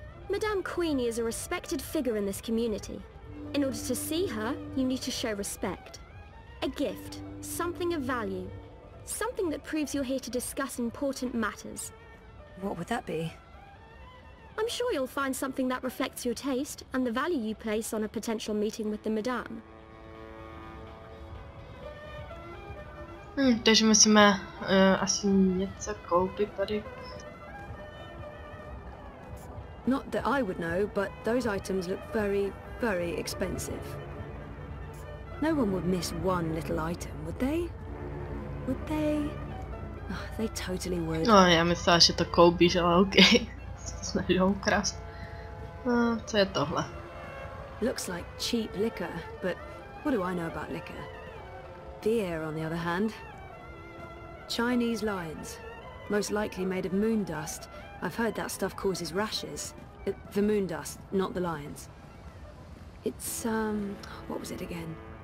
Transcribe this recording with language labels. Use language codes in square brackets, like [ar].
[en] Madame Queenie is a respected figure in this community. In order to see her, you need to show respect. A gift. Something of value. Something that proves you're here to discuss important matters. What would that be? I'm sure you'll find something that reflects your taste and the value you place on a potential meeting with the madame. [cs] Takže musíme asi něco koupit tady. [en] Not that I would know, but those items look very, very expensive. No one would miss one little item, would they? Would they? They totally would. [cs] No, já myslela, že to koupíš, ale okej. Snaží ho ukrást. Co je tohle? [en] Looks like cheap liquor, but what do I know about liquor? Beer, on the other hand. Chinese lions. Most likely made of moon dust. I've heard that stuff causes rashes. The moon dust, not the lions. It's, what was it again?